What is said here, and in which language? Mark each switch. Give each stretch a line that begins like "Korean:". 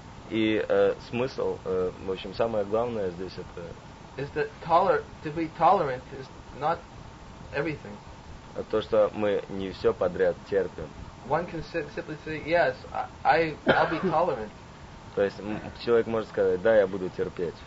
Russian: И смысл, в общем, самое главное здесь это.
English: Is that to be tolerant is not everything.
Russian: То, что мы не все подряд терпим.
English: One can simply say, yes, I'll be tolerant.
Russian: То есть человек может сказать, да, я буду терпеть.